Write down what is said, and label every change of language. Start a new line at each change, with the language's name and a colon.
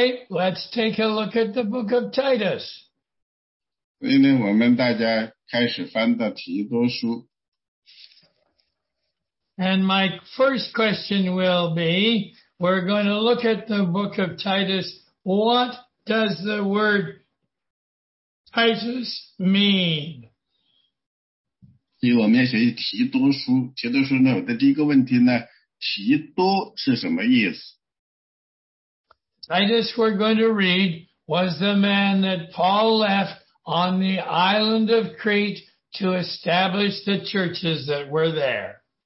English: let's take a look at the book of Titus.
Chinese: 所以呢，我们大家开始翻到提多书。
English: And my first question will be, we're going to look at the book of Titus. What does the word Titus mean?
Chinese: 所以我们要学习提多书。提多书呢，我的第一个问题呢，提多是什么意思？
English: Titus, we're going to read, was the man that Paul left on the island of Crete to establish the churches that were there.